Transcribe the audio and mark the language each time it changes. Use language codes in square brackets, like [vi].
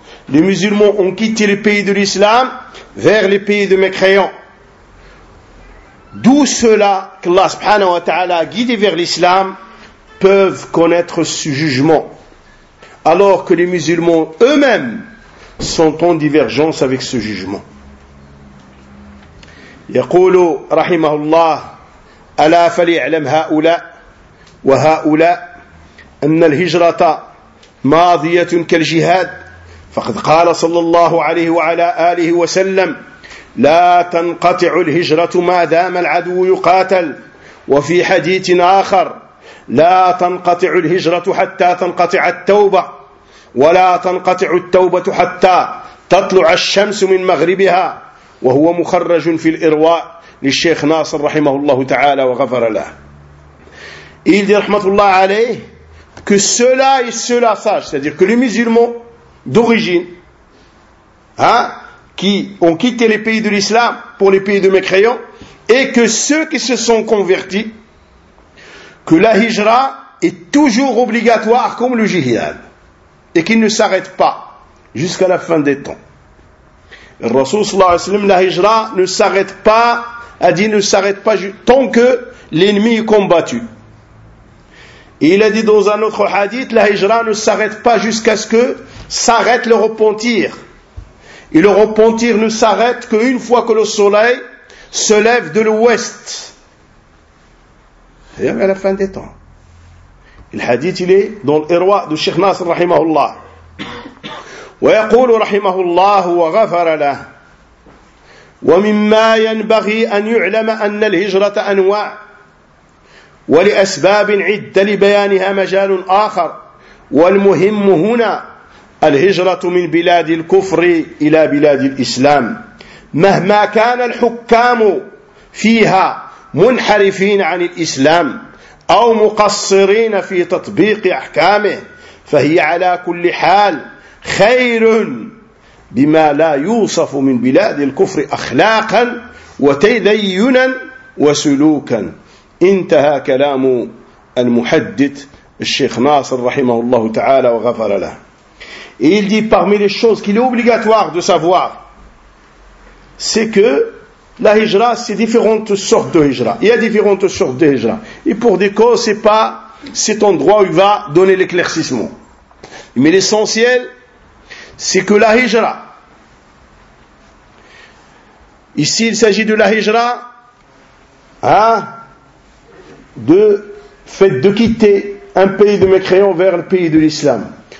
[fr] Les musulmans ont quitté les pays de l'islam vers les pays de mécréants. D'où cela qu'Allah subhanahu wa ta'ala, guidé vers l'islam, peuvent connaître ce jugement. Alors que les musulmans eux-mêmes sont en divergence avec ce jugement. [ar] Yaqulu rahimahullah, ala fali'alam ha'oula wa ha'oula أن الهجرة ماضية كالجهاد فقد قال صلى الله عليه وعلى آله وسلم لا تنقطع الهجرة ما دام العدو يقاتل وفي حديث آخر لا تنقطع الهجرة حتى تنقطع التوبة ولا تنقطع التوبة حتى تطلع الشمس من مغربها، وهو مخرج في الإرواء للشيخ ناصر رحمه الله تعالى وغفر له. [fr] Il dit, rahmatullah alayh, que cela et cela sache, c'est-à-dire que les musulmans d'origine, hein, qui ont quitté les pays de l'islam pour les pays de mécréants, et que ceux qui se sont convertis, que la hijra est toujours obligatoire comme le jihad, et qu'il ne s'arrête pas jusqu'à la fin des temps. Le Rasoul sallallahu alayhi wa sallam, la hijra ne s'arrête pas, a dit ne s'arrête pas tant que l'ennemi est combattu. Et il a dit dans un autre hadith, la hijra ne s'arrête pas jusqu'à ce que s'arrête le repentir. Et le repentir ne s'arrête qu'une fois que le soleil se lève de l'ouest. C'est-à-dire à la fin des temps. Et le hadith, il est dans l'Irwa de Cheikh Nasr, rahimahullah. [ar] وَيَقُولُ رَحِمَهُ اللَّهُ وَغَفَرَ لَهُ وَمِمَّا يَنْبَغِي أَنْ يُعْلَمَ أَنَّ الْهِجْرَةَ أَنْوَاعٌ ولأسباب عدة لبيانها مجال آخر، والمهم هنا الهجرة من بلاد الكفر إلى بلاد الإسلام، مهما كان الحكام فيها منحرفين عن الإسلام أو مقصرين في تطبيق أحكامه، فهي على كل حال خير بما لا يوصف من بلاد الكفر أخلاقا وتدينا وسلوكا. انتهى كلام المحدث الشيخ ناصر رحمه الله تعالى وغفر له. [fr] Et il dit parmi les choses qu'il est obligatoire de savoir, c'est que la hijra, c'est différentes sortes de hijra. Il y a différentes sortes de hijra. Et pour des causes, c'est pas cet endroit où il va donner l'éclaircissement. Mais l'essentiel, c'est que la hijra, ici il s'agit de la hijra, hein, de fait de quitter un pays de mécréants vers le pays de l'islam.